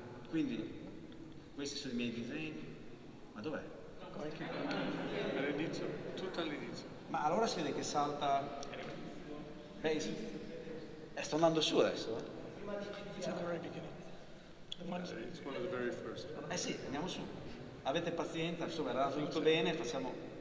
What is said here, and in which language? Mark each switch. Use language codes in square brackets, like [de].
[it] Quindi, questi sono i miei disegni, ma dov'è? All'inizio, tutto all'inizio. Ma allora si vede che salta. Sto andando su adesso. [en] It's at the very beginning. It's one of the very first. [it] Eh sì, andiamo su. Avete pazienza, insomma, era tutto bene, facciamo.